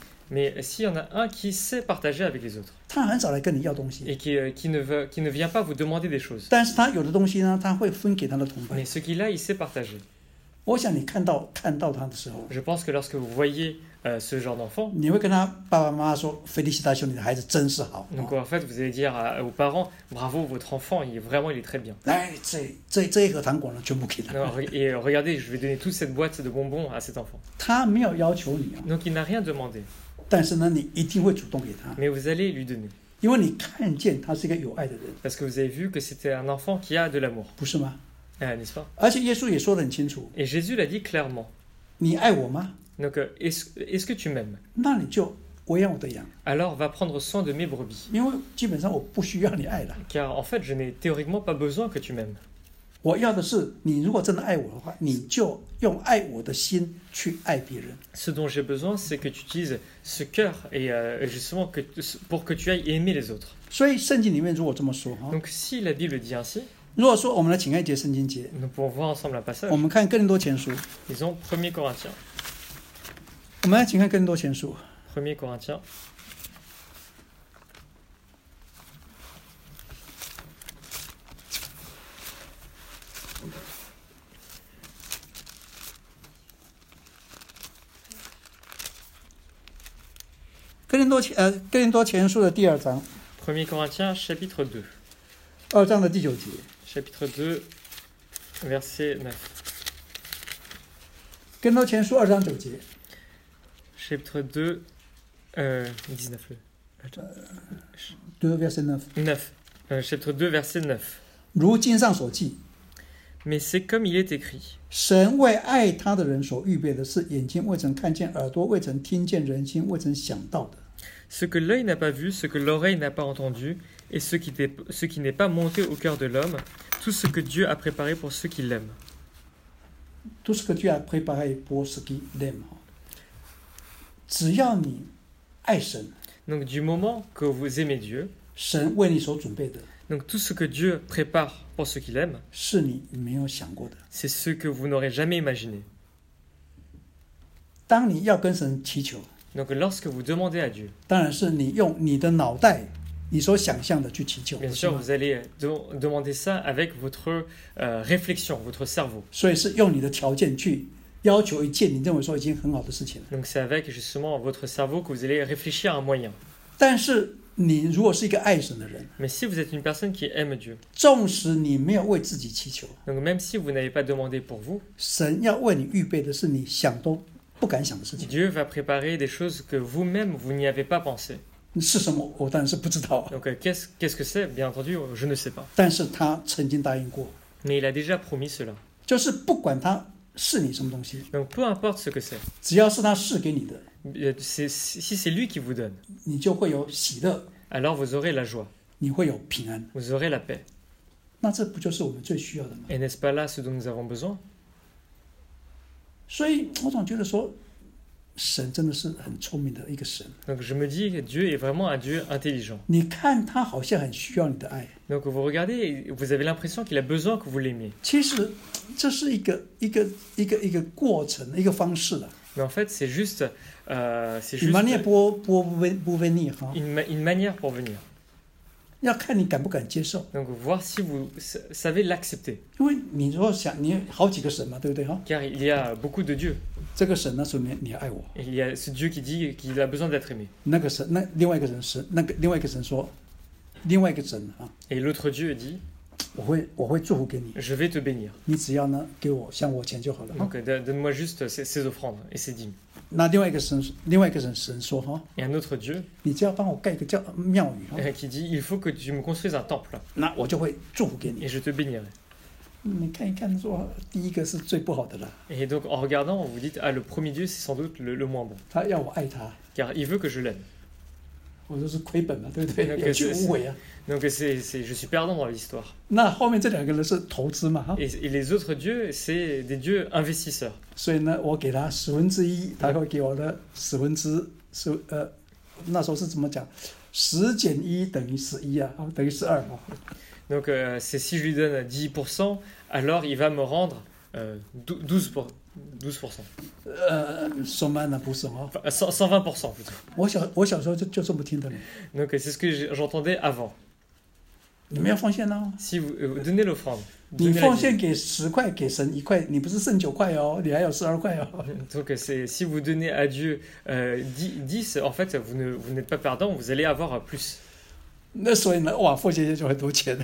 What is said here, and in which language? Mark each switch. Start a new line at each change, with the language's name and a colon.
French: Mais s'il y en a un qui sait partager avec les autres et qui ne vient pas vous demander des choses, mais ce qu'il a, il sait partager.
Chinese: 我想你看到他的时候
French: ，Je pense que lorsque vous voyez ce genre d'enfant，
Chinese: 你会跟他爸爸妈妈说 ，
French: Félicitations，
Chinese: 你的孩子真是好。
French: Donc en fait vous allez dire aux parents， bravo， votre enfant il est vraiment très bien。
Chinese: 哎，这一盒糖果呢，全部给他。
French: Et regardez， je vais donner toute cette boîte de bonbons à cet enfant。
Chinese: 他没有要求你啊。
French: Donc il n'a rien demandé。
Chinese: 但是呢，你一定会主动给他。
French: Mais vous allez lui donner。
Chinese: 因为你看见他是一个有爱的人。
French: Parce que vous avez vu que c'était un enfant qui a de l'amour。
Chinese: 不是吗？
French: N'est-ce pas?
Chinese: 而且耶稣也说得很清楚。
French: Et Jésus l'a dit clairement.
Chinese: 你爱我吗？
French: Donc est-ce que tu m'aimes?
Chinese: 那你就喂养我的羊。
French: Alors va prendre soin de mes brebis.
Chinese: 因为基本上我不需要你爱了。
French: Car en fait je n'ai théoriquement pas besoin que tu m'aimes.
Chinese: 我要的是你如果真的爱我的话，你就用爱我的心去爱别人。
French: Ce dont j'ai besoin, c'est que tu utilises ce cœur et justement que pour que tu ailles aimer les autres.
Chinese: 所以圣经里面如果这么说哈。
French: Donc si la Bible dit ainsi.
Chinese: 如果说我们来请看一节圣经节
French: Nous pouvons voir ensemble un passage.
Chinese: 我们看哥林多前书
French: Lisons 1 Corinthiens
Chinese: 我们来请看哥林多前书
French: 1 Corinthiens
Chinese: 哥林多前书的第二章
French: 1 Corinthiens chapitre 2
Chinese: 二章的第九节
French: Chapitre 2, verset 9.
Chinese: 跟到前书二章九节。
French: Chapitre 2, verset 9. 2, verset 9. Chapitre 2, verset 9.
Chinese: 如经上所记。
French: Mais c'est comme il est écrit.
Chinese: 神为爱他的人所预备的是眼睛未曾看见，耳朵未曾听见，人心未曾想到的。
French: Ce que l'œil n'a pas vu, ce que l'oreille n'a pas entendu, et ce qui n'est pas monté au cœur de l'homme, tout ce que Dieu a préparé pour ceux qui l'aiment. Tout ce que Dieu a préparé pour ceux qui l'aiment.
Chinese: 只要你爱神,
French: donc du moment que vous aimez Dieu,
Chinese: 神为你所准备的,
French: donc tout ce que Dieu prépare pour ceux qui l'aiment,
Chinese: 是你没有想过的,
French: c'est ce que vous n'aurez jamais imaginé.
Chinese: 当你要跟神祈求,
French: donc lorsque vous demandez à Dieu,
Chinese: 当然是你用你的脑袋你所想象的去祈求。
French: Bien sûr, vous allez demander ça avec votre réflexion, votre cerveau.
Chinese: 所以是用你的条件去要求一件你认为说已经很好的事情。
French: Donc c'est avec justement votre cerveau que vous allez réfléchir à un moyen.
Chinese: 但是你如果是一个爱神的人
French: ，Mais si vous êtes une personne qui aime Dieu，
Chinese: 纵使你没有为自己祈求
French: ，Donc même si vous n'avez pas demandé pour vous，
Chinese: 神要为你预备的是你想都不敢想的事情。
French: Dieu va préparer des choses que vous-même vous n'y avez pas pensé。
Chinese: 是什么？我当然是不知道。
French: Donc qu'est-ce que c'est? Bien entendu, je ne sais pas.
Chinese: 但是他曾经答应过。
French: Mais il a déjà promis cela.
Chinese: 就是不管他是你什么东西。
French: Donc peu importe ce que c'est.
Chinese: 只要是他是给你的。
French: Si c'est lui qui vous donne.
Chinese: 你就会有喜乐。
French: Alors vous aurez la joie.
Chinese: 你会有平安。
French: Vous aurez la paix.
Chinese: 那这不就是我们最需要的吗？
French: Et n'est-ce pas là ce dont nous avons besoin?
Chinese: 所以我总觉得说神真的是很聪明的一个神。
French: Donc je me dis que Dieu est vraiment un Dieu intelligent.
Chinese: 你看他好像很需要你的爱。
French: Donc vous regardez, vous avez l'impression qu'il a besoin que vous l'aimiez.
Chinese: 其实这是一个过程，一个方式了。
French: Mais en fait, c'est juste, une manière pour venir. Une manière pour venir.
Chinese: 要看你敢不敢接受。
French: Donc voir si vous savez l'accepter.
Chinese: 因为你如果想你好几个神嘛，对不对哈？
French: Car il y a beaucoup de dieux.
Chinese: 这个神呢，说你爱我。
French: Il y a ce Dieu qui dit qu'il a besoin d'être aimé.
Chinese: 那个神，那另外一个神是那个另外一个神说，另外一个神啊。
French: Et l'autre Dieu dit,
Chinese: 我会祝福给你。
French: Je vais te bénir.
Chinese: 你只要呢给我向我钱就好了。
French: Donc donne-moi juste ces offrandes et ces dîmes.
Chinese: 那另外一个神说哈。
French: Et un autre Dieu,
Chinese: 你只要帮我盖一个叫庙宇。
French: Qui dit il faut que tu me construises un temple.
Chinese: 那我就会祝福给你。
French: Et je te bénirai.
Chinese: 你看一看说第一个是最不好的了。
French: Et donc en regardant, vous dites, ah, le premier Dieu, c'est sans doute le moins bon.
Chinese: 他要我爱他。
French: Car il veut que je l'aime.
Chinese: 我就是亏本嘛，对不对？有去无回啊。
French: Donc c'est, je suis perdant dans l'histoire.
Chinese: 那后面这两个人是投资嘛。
French: Et les autres dieux, c'est des dieux investisseurs.
Chinese: 所以呢，我给他十分之一，他会给我的十分之十，那时候是怎么讲？十减一等于十一啊，等于十二嘛。
French: Donc c'est si je lui donne 10%, alors il va me rendre 12%. 120% plutôt.
Chinese: 我小时候就这么听的。
French: Donc c'est ce que j'entendais avant.
Chinese: 你们要奉献喽。
French: Si vous donnez l'offrande.
Chinese: 你奉献给十块，给神一块，你不是剩九块哦，你还有十二块哦。
French: Donc c'est si vous donnez à Dieu dix, en fait, vous n'êtes pas perdant, vous allez avoir plus.
Chinese: 那所以呢，哇，奉献就很多钱。